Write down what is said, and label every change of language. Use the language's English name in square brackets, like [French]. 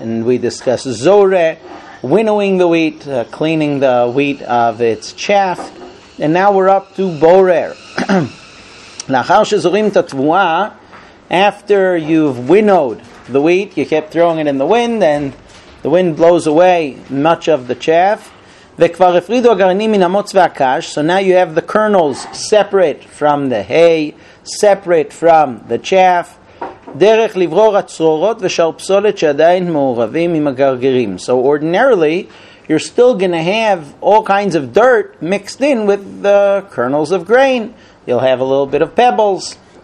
[English] And we discussed zore, winnowing the wheat, cleaning the wheat of its chaff. And now we're up to borer. [Hebrew] L'chal shezorim tatvua, [English] after you've winnowed the wheat, you kept throwing it in the wind, and the wind blows away much of the chaff. [Hebrew] וכבר הפרידו הגרעינים מן המוץ והקש. [English] So now you have the kernels separate from the hay, separate from the chaff. [Hebrew] דרך לברור הצרורות ושאר פסולת שעדיין מעורבים עם הגרגרים. [English] So ordinarily, you're still going to have all kinds of dirt mixed in with the kernels of grain. You'll have a little bit of pebbles.